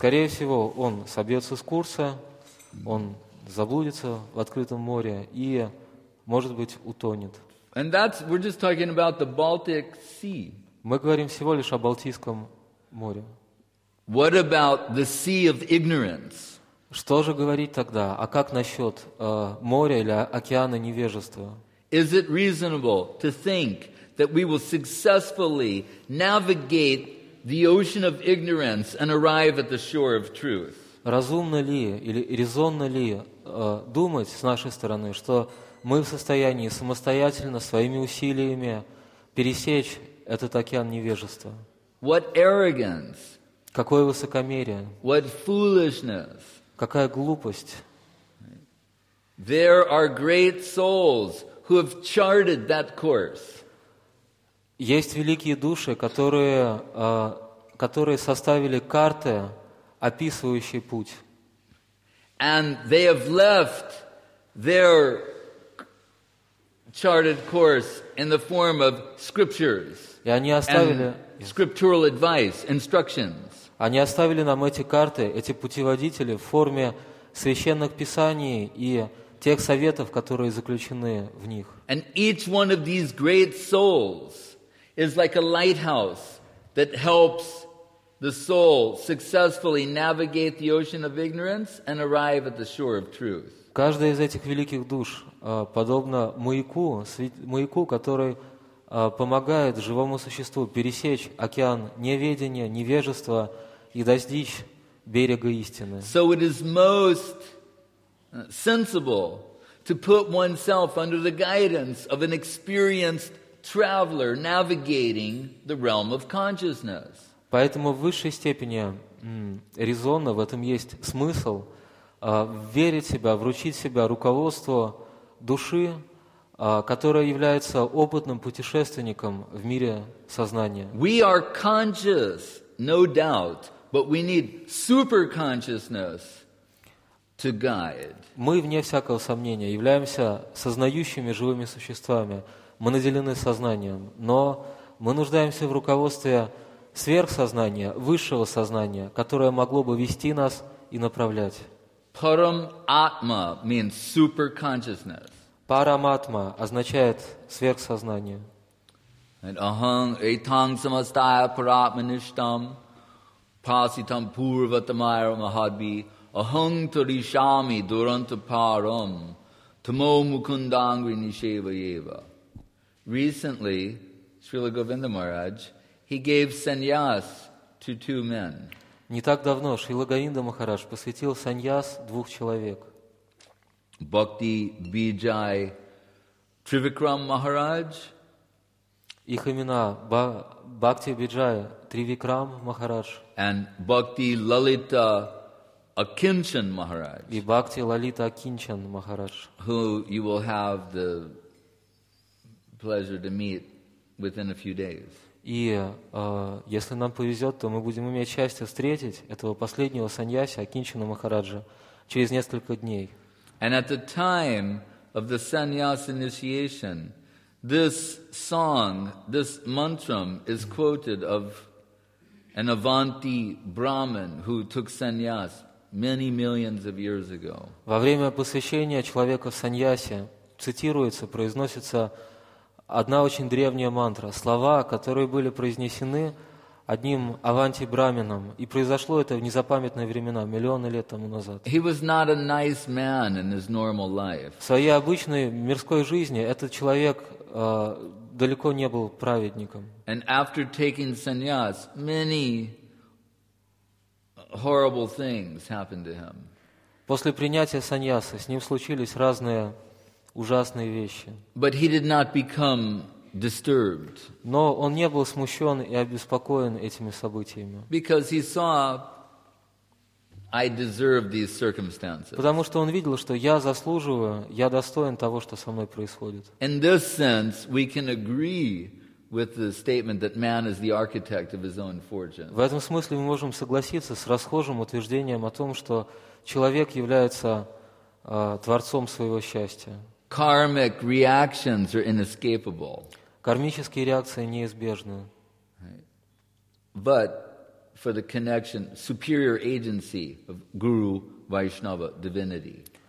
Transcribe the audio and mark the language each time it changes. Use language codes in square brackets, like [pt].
[ru] Скорее всего, он собьется с курса, он заблудится в открытом море и, может быть, утонет. [en] And that's we're just talking about the Baltic Sea. [ru] Мы говорим всего лишь о Балтийском море. [en] What about the sea of ignorance? [ru] Что же говорить тогда? А как насчет моря или океана невежества? [en] Is it reasonable to think that we will successfully navigate the ocean of ignorance and arrive at the shore of truth? [ru] Разумно ли или резонно ли думать с нашей стороны, что мы в состоянии самостоятельно своими усилиями пересечь этот океан невежества? [en] What arrogance! [ru] Какое высокомерие! [en] What foolishness! [ru] Какая глупость! [en] There are great souls who have charted that course. [ru] Есть великие души, которые, которые составили карты, описывающие путь. [en] And they have left their charted course in the form of scriptures. [ru] И они оставили [en] scriptural advice, instructions. [ru] Они оставили нам эти карты, эти путеводители в форме священных писаний и тех советов, которые заключены в них. [en] And each one of these great souls is like a lighthouse that helps the soul successfully navigate the ocean of ignorance and arrive at the shore of truth. [ru] Каждая из этих великих душ подобна маяку, маяку, который помогает живому существу пересечь океан неведения, невежества и достичь берега истины. [en] So it is most sensible to put oneself under the guidance of an experienced traveler navigating the realm of consciousness. [ru] Поэтому в высшей степени резонно, в этом есть смысл, верить себя, вручить себя руководству души, которая является опытным путешественником в мире сознания. [en] We are conscious, no doubt. But we need super consciousness to guide. [ru] Мы, вне всякого сомнения, являемся сознающими живыми существами. Мы наделены сознанием. Но мы нуждаемся в руководстве сверхсознания, высшего сознания, которое могло бы вести нас и направлять. [en] Param Atma means super consciousness. [ru] Параматма означает сверхсознание. [sa] And ahang etang samastaya paratmanishtam pasitam purvatamaya mahadvi ahang tarishami durantaparam tamo mukundangri nisheva yeva. [en] Recently, Srila Govinda Maharaj, he gave sannyas to two men. [ru] Не так давно Шрила Говинда Махарадж посвятил саньяс двух человек. Бхакти Биджай Тривикрам Махарадж. Их имена Бхакти Биджай Тривикрам Махарадж. [en] And Бхакти Лалита Акинчан Махарадж. [ru] И Бхакти Лалита Акинчан Махарадж. [en] Who you will have the pleasure to meet within a few days. [ru] И если нам повезет, то мы будем иметь счастье встретить этого последнего саньяси Акинчана Махараджа через несколько дней. [en] And at the time of the sannyas initiation, this song, this mantram is quoted of an Avanti Brahmin who took sannyas many millions of years ago. [ru] Во время посвящения человека в саньясе цитируется, произносится одна очень древняя мантра, слова, которые были произнесены одним Аванти Брамином, и произошло это в незапамятные времена, миллионы лет тому назад. [en] He was not a nice man in his normal life. [ru] В своей обычной мирской жизни этот человек далеко не был праведником. [en] And after taking sannyas, many horrible things happened to him. [ru] После принятия саньяса с ним случились разные ужасные вещи. [en] But he did not become disturbed. [ru] Но он не был смущен и обеспокоен этими событиями. [en] Because he saw, I deserve these circumstances. [ru] Потому что он видел, что я заслуживаю, я достоин того, что со мной происходит. [en] In this sense, we can agree with the statement that man is the architect of his own fortune. [ru] В этом смысле мы можем согласиться с расхожим утверждением о том, что человек является творцом своего счастья. [en] Karmic reactions are inescapable. [ru] Кармические реакции неизбежны. [en] But for the connection, superior agency of Guru Vaishnava divinity.